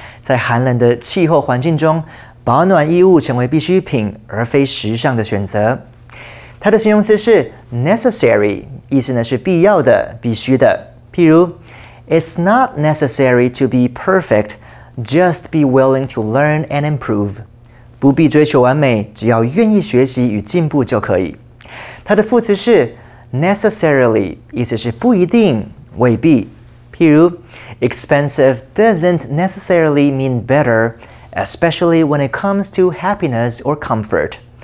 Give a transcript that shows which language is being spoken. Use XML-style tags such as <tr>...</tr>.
<zh>在寒冷的气候环境中, 保暖衣物成为必需品而非时尚的选择。它的形容词是 necessary, 意思呢是必要的, 必须的。譬如,</zh> <en>it's not necessary to be perfect, just be willing to learn and improve.</en> <zh>不必追求完美, 只要愿意学习与进步就可以。它的副词是 necessarily, 意思是不一定, 未必。譬如,</zh> <en>expensive doesn't necessarily mean better, especially when it comes to happiness or comfort.</en>